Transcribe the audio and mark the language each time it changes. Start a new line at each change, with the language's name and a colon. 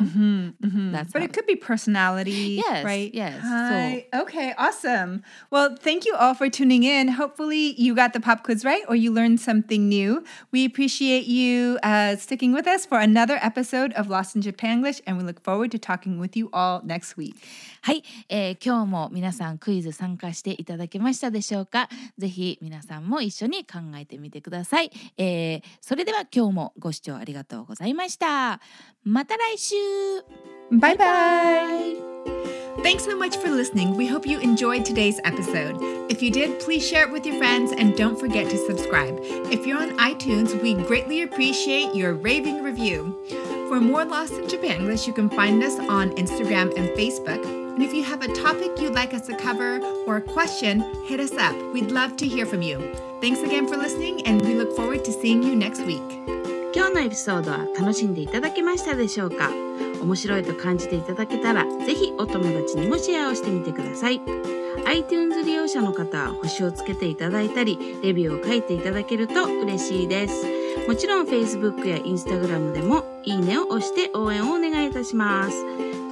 English: Mm-hmm, mm-hmm. That's but it could be personality, yes, right? Yes. So. Okay, awesome. Well, thank you all for tuning in. Hopefully you got the pop quiz right or you learned something new. We appreciate you sticking with us for another episode of Lost in Japanglish, and we look forward to talking with you all next week.
Japanese: はい、今日も皆さんクイズ参加していただけましたでしょうか。ぜひ皆さんも一緒に考えてみてください。それでは今日もご視聴ありがとうございました。また来週。バイバイ。
English: Thanks so much for listening. We hope you enjoyed today's episode. If you did, please share it with your friends and don't forget to subscribe. If you're on iTunes, we greatly appreciate your raving review. For more Lost in Japanglish, you can find us on Instagram and Facebook. And if you have a topic you'd like us to cover or a question, hit us up. We'd love to hear from you. Thanks again for listening, and we look forward to seeing you next week.
Japanese: 今日のエピソードは楽しんでいただけましたでしょうか。面白いと感じていただけたら、ぜひお友達にもシェアをしてみてください。 iTunes 利用者の方は星をつけていただいたり、レビューを書いていただけると嬉しいです。もちろん Facebook や Instagram でもいいねを押して応援をお願いいたします。